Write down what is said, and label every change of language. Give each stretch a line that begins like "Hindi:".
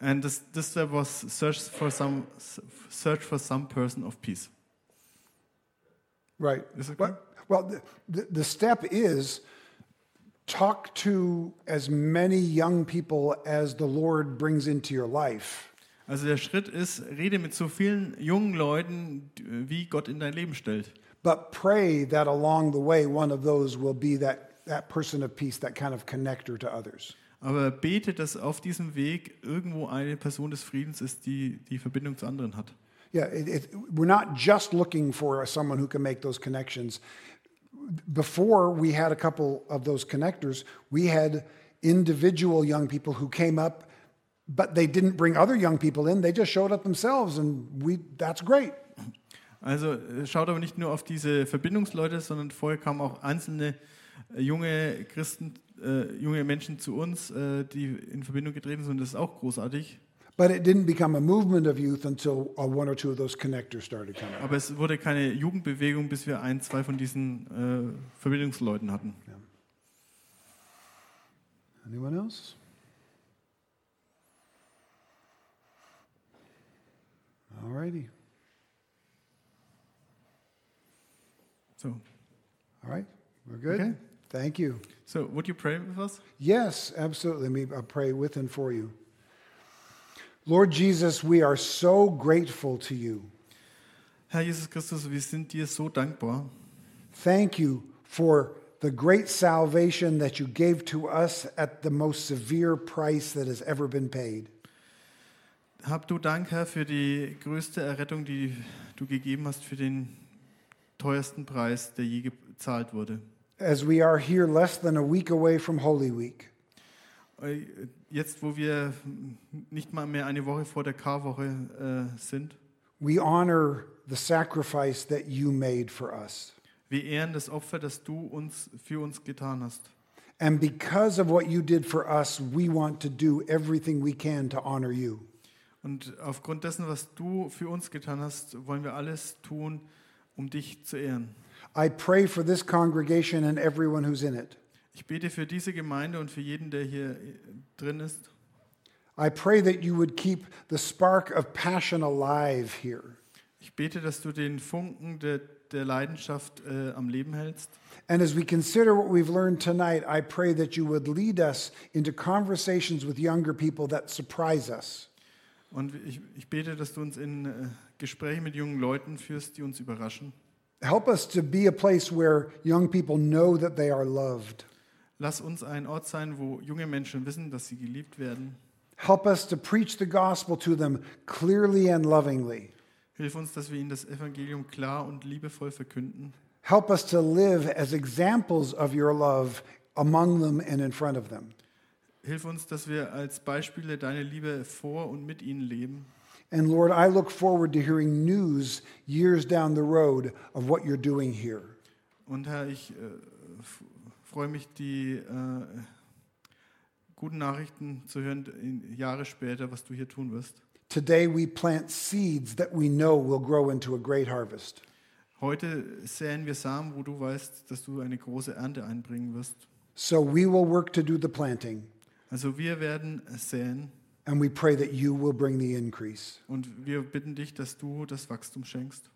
English: And this step was search for some person of peace. Right. Is it correct? Well, the step is talk to as many young people as the Lord brings into your life.
German: Also der Schritt ist, rede mit so vielen jungen Leuten, wie Gott in dein Leben stellt.
English: But pray that along the way one of those will be that person of peace, that kind of connector to others.
German: Aber bete, dass auf diesem Weg irgendwo eine Person des Friedens ist, die Verbindung zu anderen hat.
English: Yeah, we're not just looking for someone who can make those connections. Before we had a couple of those connectors, we had individual young people who came up. But they didn't bring other young people in. They just showed up themselves, and that's great.
German: Also schaut aber nicht nur auf diese Verbindungsleute, sondern vorher kamen auch einzelne junge Christen, junge Menschen zu uns, die in Verbindung getreten sind. Das ist auch großartig.
English: But it didn't become a movement of youth until one or two of those connectors started coming.
German: Aber es wurde keine Jugendbewegung, bis wir ein, zwei von diesen Verbindungsleuten hatten.
English: Yeah. Anyone else? Alrighty. So. All right. We're good. Okay. Thank you. So would you pray with us? Yes, absolutely. Let me pray with and for you. Lord Jesus, we are so grateful to you.
German: Herr Jesus Christus, wir sind dir so dankbar.
English: Thank you for the great salvation that you gave to us at the most severe price that has ever been paid.
German: Hab du Dank, Herr, für die größte Errettung, die du gegeben hast, für den teuersten Preis, der je gezahlt wurde.
English: As we are here less than a week away from Holy Week.
German: Jetzt, wo wir nicht mal mehr eine Woche vor der Karwoche sind.
English: We honor the sacrifice that you made for us.
German: Wir ehren das Opfer, das du uns für uns getan hast.
English: And because of what you did for us, we want to do everything we can to honor you.
German: Und aufgrund dessen, was du für uns getan hast, wollen wir alles tun, um dich zu ehren.
English: I pray for this congregation and everyone who's in it.
German: Ich bete für diese Gemeinde und für jeden, der hier drin ist.
English: I pray that you would keep the spark of passion alive here.
German: Ich bete, dass du den Funken der Leidenschaft am Leben hältst.
English: And as we consider what we've learned tonight, I pray that you would lead us into conversations with younger people that surprise us.
German: Und ich bete, dass du uns in Gespräche mit jungen Leuten führst, die uns überraschen.
English: Help us to be a place where young people know that they are loved.
German: Lass uns ein Ort sein, wo junge Menschen wissen, dass sie geliebt werden.
English: Help us to preach the gospel to them clearly and lovingly.
German: Hilf uns, dass wir ihnen das Evangelium klar und liebevoll verkünden.
English: Help us to live as examples of your love among them and in front of them.
German: Hilf uns, dass wir als Beispiele deine Liebe vor und mit ihnen leben.
English: And Lord, I look forward to hearing news years down the road of what you're doing here.
German: Und Herr, ich freue mich, die guten Nachrichten zu hören, Jahre später, was du hier tun wirst.
English: Today we plant seeds that we know will grow into a great harvest.
German: Heute säen wir Samen, wo du weißt, dass du eine große Ernte einbringen wirst.
English: So we will work to do the planting.
German: Also wir werden säen.
English: And we pray that you will bring the increase.
German: Und wir bitten dich, dass du das Wachstum schenkst.